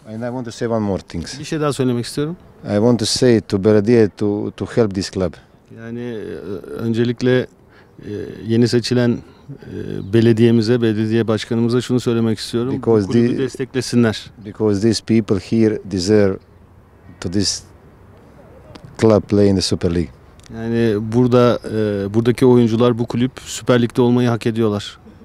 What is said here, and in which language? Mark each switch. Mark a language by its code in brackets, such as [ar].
[en] And I want to say one more things. [tr] Bir şey daha söylemek istiyorum. [en] I want to say to Belediye to help this club. [tr] Yani öncelikle yeni seçilen belediyemize, belediye başkanımıza şunu söylemek istiyorum. [en] Because [tr] bu kulübü desteklesinler. [en] Because these people here deserve to this club play in the Super League. [tr] Yani burada buradaki oyuncular bu kulüp Süper Lig'de olmayı hak ediyorlar.